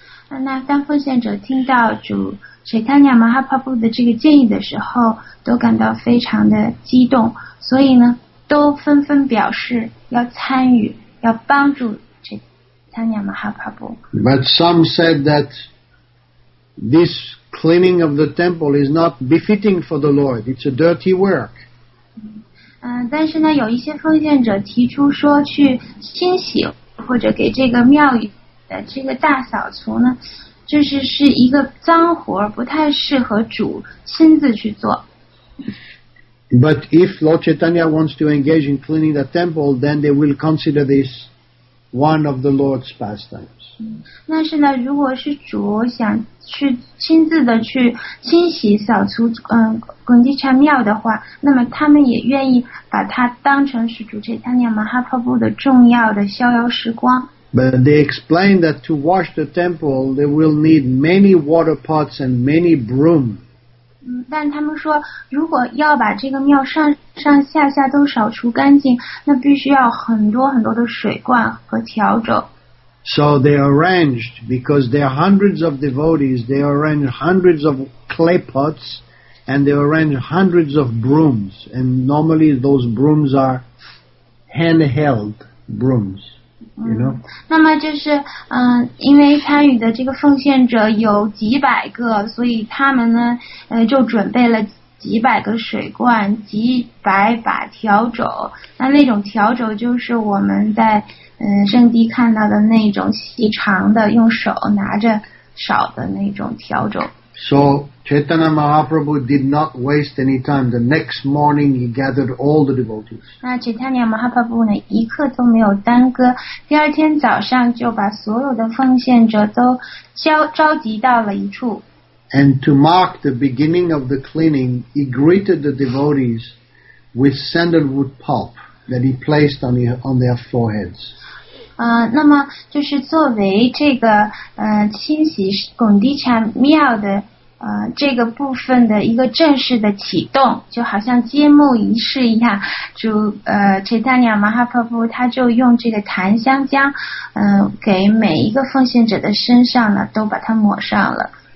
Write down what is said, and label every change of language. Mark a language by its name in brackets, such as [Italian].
[Chinese] 那当奉献者听到主Chaitanya Mahaprabhu 的这个建议的时候，都感到非常的激动，所以呢，都纷纷表示要参与，要帮助 Chaitanya Mahaprabhu。 [English] But some said that this cleaning of the temple is not befitting for the Lord. It's a dirty work. [Chinese] 但是呢，有一些奉献者提出说，去清洗或者给这个庙宇的这个大扫除呢。就是是一个脏活，不太适合主亲自去做。 [English] But if Lord Chaitanya wants to engage in cleaning the temple, then they will consider this one of the Lord's pastimes. [Chinese] 那是呢，如果是主想去亲自的去清洗扫除Gundicha庙的话，那么他们也愿意把它当成是主 Chaitanya Mahaprabhu 的重要的逍遥时光。 [English] But they explained that to wash the temple, they will need many water pots and many broom. [Chinese] 但他们说，如果要把这个庙上上下下都扫除干净，那必须要很多很多的水罐和笤帚。 [English] So they arranged, because there are hundreds of devotees, they arranged hundreds of clay pots, and they arranged hundreds of brooms. And normally those brooms are handheld brooms. You know? [Chinese] 那么就是因为参与的这个奉献者有几百个，所以他们呢就准备了几百个水罐，几百把笤帚。那那种笤帚就是我们在圣地看到的那种细长的用手拿着扫的那种笤帚。 [English] So Chaitanya Mahaprabhu did not waste any time. The next morning, he gathered all the devotees. [Chinese] 那 Chaitanya Mahaprabhu 呢，一刻都没有耽搁。第二天早上就把所有的奉献者都召集到了一处。 [English] And to mark the beginning of the cleaning, he greeted the devotees with sandalwood pulp that he placed on their foreheads. [Chinese] 那么就是作为这个清洗拱地禅庙的这个部分的一个正式的启动，就好像揭幕仪式一样，主Chaitanya Mahaprabhu 他就用这个檀香浆给每一个奉献者的身上呢都把它抹上了。